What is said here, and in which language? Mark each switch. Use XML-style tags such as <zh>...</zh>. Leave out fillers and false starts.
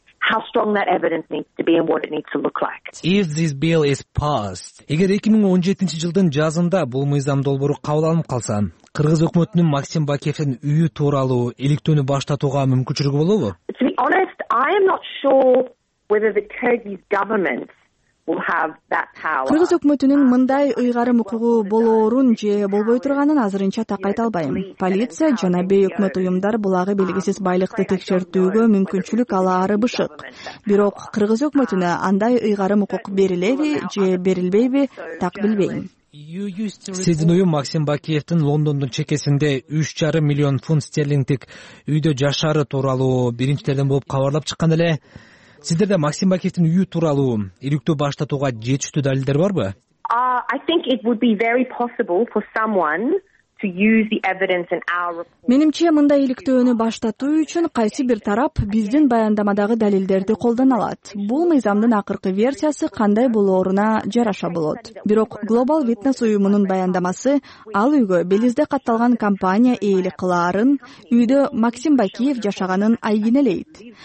<en>How strong that evidence needs to be and what it needs to look like. If this bill is passed,</en> <ky>эгер 2017 жылдын жазында бул мыйзам долбоору кабыл алынып калса, кыргыз өкмөтүнүн Максим Бакиевдин үйү тууралуу иликтөөнү баштатууга мүмкүнчүлүгү болобу?</ky> <en>To be honest, I am not sure whether the Kyrgyz government will have that power.</en> <ky>Кыргыз өкмөтүнүн мындай ыйгарым укугу болоорун же болбой турганын азырынча так айта албайм. Полиция жана бей өкмөт уюмдар булагы белгисиз байлыкты текшертүүгө мүмкүнчүлүк ала арыбышык. Бирок кыргыз өкмөтүнө андай ыйгарым укук берилеби же берилбейби так билбейм. Сиздин уюм Максим Бакиевдин Лондондун чекесинде 3.5 миллион фунт стерлингдик үйдө жашары тууралуу биринчилерден болуп кабарлап чыккан эле. Сиздерде Максим Бакиевдин үйү тууралуу иликтөө баштатууга жетиштүү далилдер барбы?</ky> <en>I think it would be very possible for someone to use the evidence in our report.</en> <ky>Менимче мындай иликтөөнү баштатуу үчүн кайсы бир тарап биздин баяндамадагы далилдерди колдоно алат. Бул мыйзамдын акыркы версиясы кандай болоруна жараша болот. Бирок Global Witness уюмунун баяндамасы ал үйгө Белизде катталган компания ээлик кылаарын, үйдө Максим Бакиев жашаганын айгинелейт.</ky>